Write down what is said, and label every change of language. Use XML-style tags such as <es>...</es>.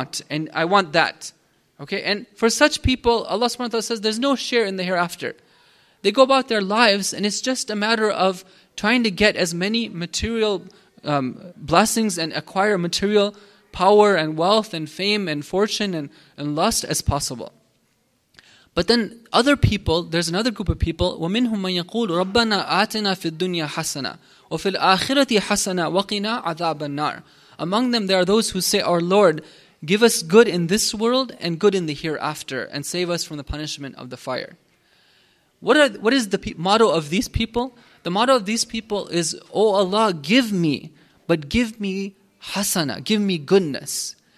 <en>And I want that. Okay. And for such people, Allah subhanahu wa ta'ala says, there's no share in the hereafter. They go about their lives, and it's just a matter of trying to get as many material blessings and acquire material power and wealth and fame and fortune and lust as possible. But then other people, there's another group of people,</en> <ar>وَمِنْهُمْ مَنْ يَقُولُ رَبَّنَا آتِنَا فِي الدُّنْيَا حَسَنًا وَفِي الْآخِرَةِ حَسَنًا وَقِنَا عَذَابَ النَّارِ.</ar> <en>Among them, there are those who say, our Lord, give us good in this world and good in the hereafter and save us from the punishment of the fire. What is the motto of these people? The motto of these people is, O Allah, give me, but give me hasana, give me goodness.</en>